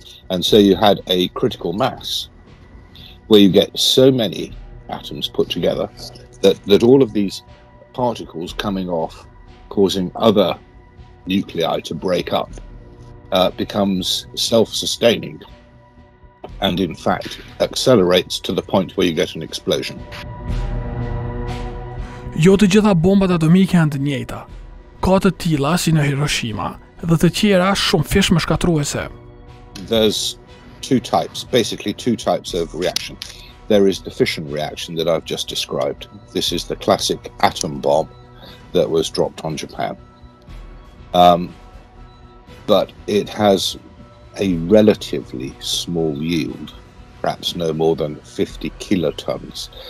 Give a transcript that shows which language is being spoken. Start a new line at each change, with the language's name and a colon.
English: And so you had a critical mass where you get so many atoms put together that all of these particles coming off, causing other nuclei to break up, becomes self-sustaining and in fact accelerates to the point where you get an explosion.
Albanian: Jo të gjitha bombat atomike janë të njëjta. Ka të tilla si në Hiroshima dhe të tjera shumë fish më shkatruese.
English: There's two types, basically two types of reaction. There is the fission reaction that I've just described. This is the classic atom bomb that was dropped on Japan. But it has a relatively small yield, perhaps no more than 50 kilotons.